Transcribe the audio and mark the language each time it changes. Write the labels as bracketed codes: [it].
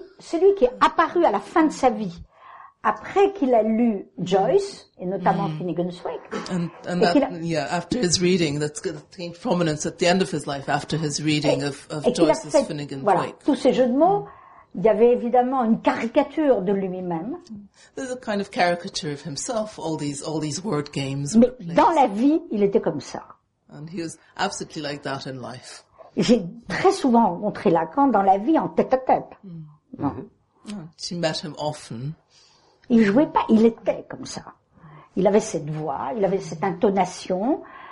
[fr] Celui qui est apparu à la fin de sa vie, après qu'il a lu Joyce et notamment Finnegan's Wake. [en] After his reading, that's the prominence at the end of his life after his reading of Joyce's Finnegan's [fr] voilà, [en] Wake. [fr] Tous ces jeux de mots, il y avait évidemment une caricature de lui-même. [en] There's a kind of caricature of himself. All these word games. [fr] Mais dans la vie, il était comme ça. [en] And he was absolutely like that in life. [fr] J'ai très souvent rencontré Lacan dans la vie en tête-à-tête. [en] She met him often. [fr] Il jouait pas, il était comme ça. Il avait cette voix, il avait cette intonation.